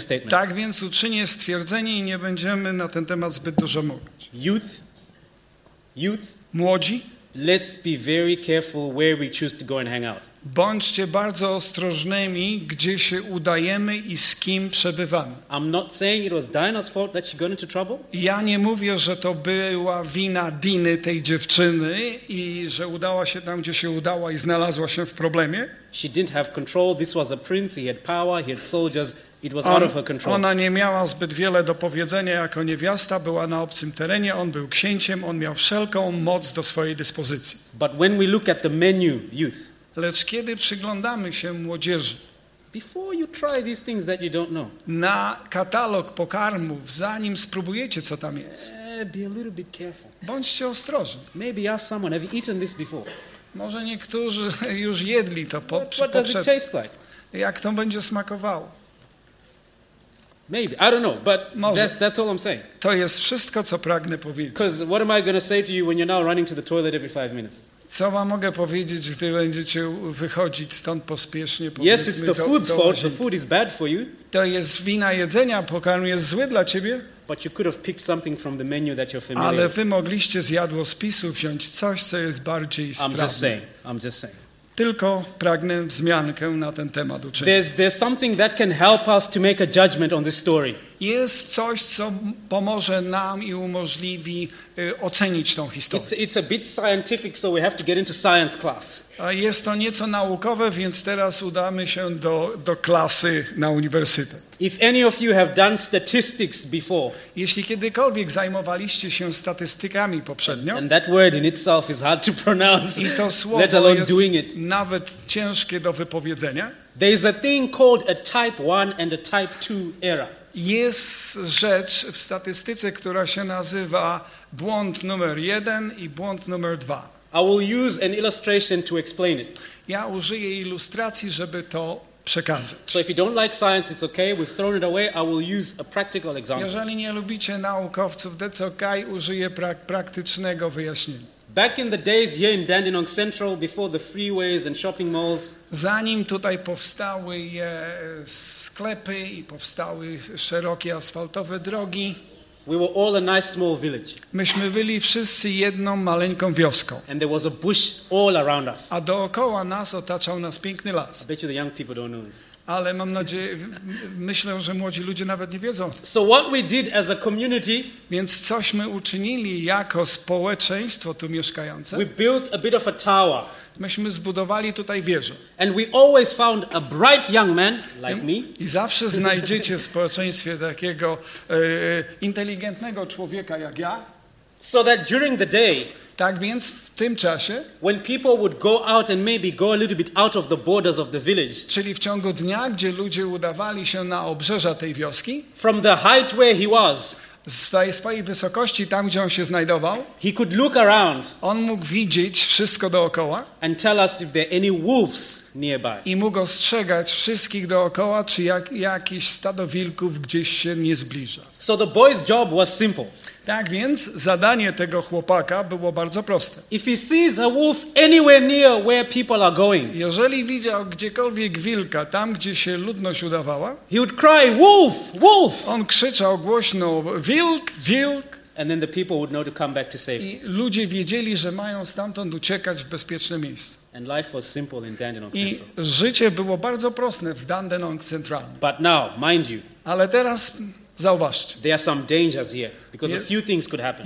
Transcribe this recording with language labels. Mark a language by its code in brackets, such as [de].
[pl] Tak więc uczynię stwierdzenie i nie będziemy na ten temat zbyt dużo mówić. [en] Youth, [pl] młodzi, [en] let's be very careful where we choose to go and hang out. [pl] Bądźcie bardzo ostrożnymi, gdzie się udajemy i z kim przebywamy. [en] I'm not saying it was Dinah's fault that she got into trouble. [pl] Ja nie mówię, że to była wina Diny, tej dziewczyny, i że udała się tam, gdzie się udała i znalazła się w problemie. [en] She didn't have control. This was a prince. He had power. He had soldiers. It was out of her control. [pl] Ona nie miała zbyt wiele do powiedzenia jako niewiasta, była na obcym terenie, on był księciem, on miał wszelką moc do swojej dyspozycji. [en] But when we look at the menu, youth, [pl] lecz kiedy przyglądamy się młodzieży, [en] before you try these things that you don't know, [pl] na katalog pokarmów, zanim spróbujecie, co tam jest, [en] be a little bit careful. [pl] Bądźcie ostrożni. [en] Maybe ask someone, have you eaten this before? [pl] Może niektórzy już jedli to po. [en] What does it taste like? [pl] Jak to będzie smakowało? [en] Maybe, I don't know, but that's all I'm saying. [pl] To jest wszystko, co pragnę powiedzieć. [en] Because what am I going to say to you when you're now running to the toilet every 5 minutes? [pl] Co wam mogę powiedzieć, gdy będziecie wychodzić stąd pospiesznie? [en] Yes, it's the food's fault. The food is bad for you. [pl] To jest wina jedzenia, pokarm jest zły dla ciebie. [en] But you could have picked something from the menu that you're familiar. [pl] Ale wy mogliście z jadłospisu wziąć coś, co jest bardziej strawne. [en] I'm just saying. [pl] Tylko pragnę wzmiankę na ten temat uczynić. [en] There's something that can help us to make a judgment on this story. [pl] Jest coś, co pomoże nam i umożliwi ocenić tą historię. [en] It's a bit scientific, so we have to get into science class. [pl] Jest to nieco naukowe, więc teraz udamy się do klasy na uniwersytet. [en] If any of you have done statistics before, [pl] jeśli kiedykolwiek zajmowaliście się statystykami poprzednio, [en] and that word in itself is hard to pronounce, [pl] i to słowo [en] let alone [pl] jest [en] doing it, [pl] nawet ciężkie do wypowiedzenia. [en] There is a thing called a type 1 and a type 2 error. [pl] Jest rzecz w statystyce, która się nazywa błąd numer 1 i błąd numer 2. [en] I will use an illustration to explain it. [pl] Ja użyję ilustracji, żeby to przekazać. [en] So if you don't like science, it's okay. We've thrown it away. I will use a practical example. [pl] Jeżeli nie lubicie naukowców, [en] that's okay. [pl] Użyję praktycznego wyjaśnienia. [en] Back in the days here in Dandenong Central, before the freeways and shopping malls. [pl] Zanim tutaj powstały sklepy i powstały szerokie asfaltowe drogi. [en] We were all a nice small village. [pl] Myśmy byli wszyscy jedną maleńką wioską. [en] And there was a bush all around us. [pl] A dookoła nas otaczał nas piękny las. [en] I bet you the young people don't know this. [pl] Ale mam nadzieję, myślę, że młodzi ludzie nawet nie wiedzą. [en] So what we did as a community, [pl] więc cośmy uczynili jako społeczeństwo tu mieszkające. [en] We built a bit of a tower. [pl] Myśmy zbudowali tutaj wieżę. [en] And we always found a bright young man like me. [pl] I zawsze znajdziecie w społeczeństwie takiego inteligentnego człowieka jak ja. [en] So that during the day, [pl] tak więc w tym czasie, [en] when people would go out and maybe go a little bit out of the borders of the village, [pl] czyli w ciągu dnia, gdzie ludzie udawali się na obrzeża tej wioski, [en] from the height where he was, [pl] z swojej wysokości, tam gdzie on się znajdował, [en] he could look around, [pl] on mógł widzieć wszystko dookoła, [en] and tell us if there are any wolves nearby, [pl] i mógł ostrzegać wszystkich dookoła, czy jakiś stado wilków gdzieś się nie zbliża. [en] So the boy's job was simple. [pl] Tak więc zadanie tego chłopaka było bardzo proste. [en] If he sees a wolf anywhere near where people are going, [pl] jeżeli widział gdziekolwiek wilka, tam gdzie się ludność udawała, [en] he would cry, wolf, wolf! [pl] On krzyczał głośno, wilk, wilk! [en] And then the people would know to come back to safety. [pl] I ludzie wiedzieli, że mają stamtąd uciekać w bezpieczne miejsce. [en] And life was simple in Dandenong Central. [pl] I życie było bardzo proste w Dandenong Central. [en] But now, mind you, [pl] ale teraz zauważcie. [en] There are some dangers here because a few things could happen.